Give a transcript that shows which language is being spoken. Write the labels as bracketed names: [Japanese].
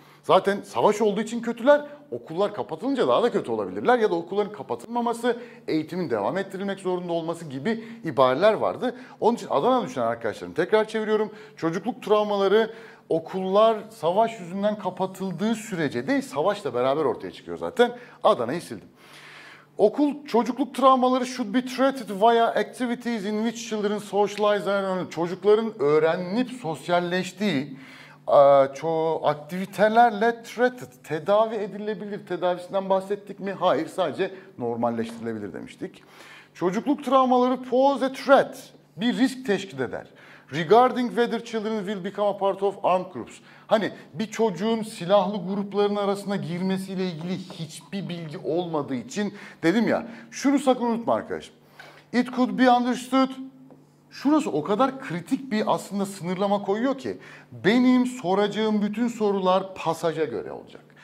[Turkish] Zaten savaş olduğu için kötüler, okullar kapatılınca daha da kötü olabilirler ya da okulların kapatılmaması, eğitimin devam ettirilmek zorunda olması gibi ibareler vardı. Onun için Adana düşünen arkadaşlarım, tekrar çeviriyorum, çocukluk travmaları okullar savaş yüzünden kapatıldığı sürece değil, savaşla beraber ortaya çıkıyor zaten. Adana'yı sildim. Okul çocukluk travmaları [English] should be treated via activities in which children socialize and learn. [Turkish] Çocukların öğrenip sosyalleştiği aktivitelerle treated, tedavi edilebilir. Tedavisinden bahsettik mi? Hayır, sadece normalleştirilebilir demiştik. Çocukluk travmaları [English] pose a threat, [Turkish] bir risk teşkil eder. [English] Regarding whether children will become a part of armed groups. [Turkish] Hani bir çocuğun silahlı grupların arasına girmesiyle ilgili hiçbir bilgi olmadığı için dedim ya. Şunu sakın unutma arkadaşım. [English] It could be understood. [Turkish] Şurası o kadar kritik bir aslında sınırlama koyuyor ki. Benim soracağım bütün sorular pasaja göre olacak.